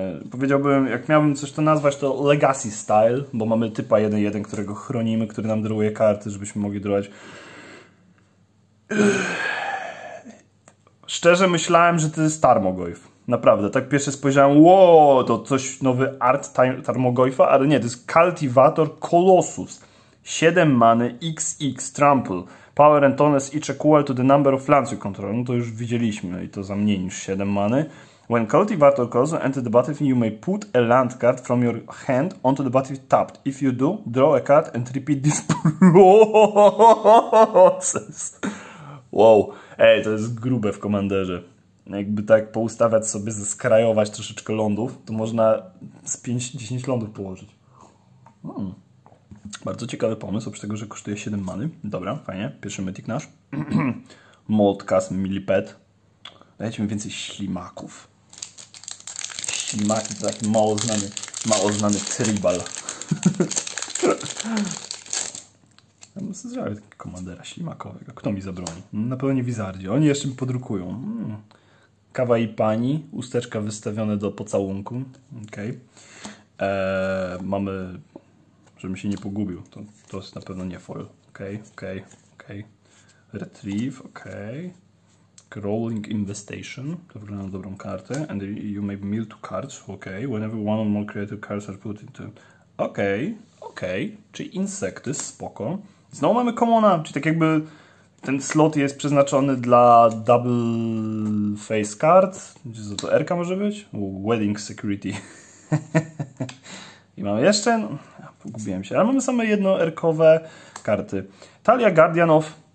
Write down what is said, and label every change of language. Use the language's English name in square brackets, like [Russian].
[Polish] Powiedziałbym, jak miałbym coś to nazwać, to Legacy Style, bo mamy typa 1-1, którego chronimy, który nam drawuje karty, żebyśmy mogli drawać. Szczerze myślałem, że to jest Tarmogoyf. Naprawdę, tak pierwsze spojrzałem, wow, to coś nowy art Tarmogoyfa, ale nie, to jest Cultivator Colossus. 7 many, XX, Trample. [English] Power and Toughness each equal to the number of lands you control. [Polish] No to już widzieliśmy i to za mniej niż 7 many. [English] When Cultivator Colossus enters the battlefield, you may put a land card from your hand onto the battlefield tapped. If you do, draw a card and repeat this process. Wow. [Polish] Ej, to jest grube w Commanderze. Jakby tak poustawiać sobie, zeskrajować troszeczkę lądów, to można z 5-10 lądów położyć. Hmm. Bardzo ciekawy pomysł, oprócz tego, że kosztuje 7 many. Dobra, fajnie. Pierwszy mythic nasz. Moldcast Millipet. Dajcie mi więcej ślimaków. Ślimaki to taki mało znany tribal. Ja bym sobie zrobił takiego komandera ślimakowego. Kto mi zabroni? Na pewno nie Wizardzi. Oni jeszcze mi podrukują. Hmm. Kawa i pani. Usteczka wystawione do pocałunku. Okej. Okay. Mamy... Żebym się nie pogubił. To jest na pewno nie foil. Okej, okej, okej. Retrieve, okej. Okay. [English] Crawling Investation. [Polish] To wygląda na dobrą kartę. [English] And you may mill two cards. Okej. Okay. Whenever one or more creative cards are put into... Okej. Okay. [Polish] Okej, okay, czyli insekty, spoko. Znowu mamy komona, czyli tak jakby ten slot jest przeznaczony dla double face card. Gdzie to R-ka może być? Wedding security. I mamy jeszcze, no, pogubiłem się, ale mamy same jedno R-kowe karty. Talia Guardian of...